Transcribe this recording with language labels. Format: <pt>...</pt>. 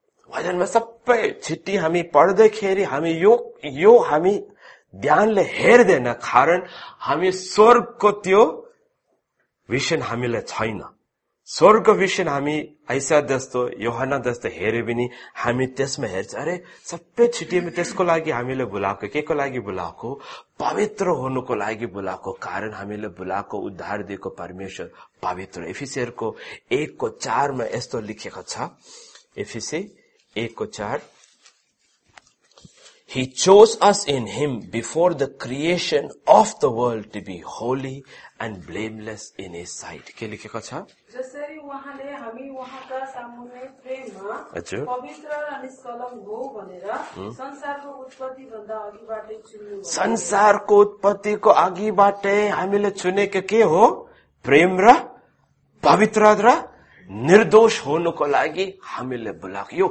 <ne>भजनमा सबै छिट्टी हामी पढ्दैखेरि हामी यो हामी ध्यानले हेर्दैन, कारण हामी स्वर्गको त्यो भिजन हामीलाई छैन। स्वर्ग भिजन हामी ऐसा जस्तो योहना जस्तो हेऱ्यो भने हामी त्यसमा हेर्छ, अरे सबै छिट्टी त्यसको लागि हामीले बोलाएको। के को लागि बोलाएको? पवित्र हुनुको लागि बोलाएको। कारण हामीले बोलाएको उद्धार दिएको परमेश्वर पवित्र। एफिसियरको 1:4 यस्तो लिखेको छ, एफिसी 1:4</ne> <en>He chose us in him before the creation of the world to be holy and blameless in his sight.</en> <ne>के लिखेको छ? जसरी उहाँले हामी उहाँका सामुन्ने प्रेममा हजुर पवित्र र निष्कलंक हो भनेर संसारको उत्पत्ति भन्दा अघिबाटै चुन्नु भयो। संसारको उत्पत्तिको अघिबाटै हामीले चुनेको के हो? प्रेम र पवित्र र निर्दोष हुनुको लागि हामीले बोलाएको।</ne>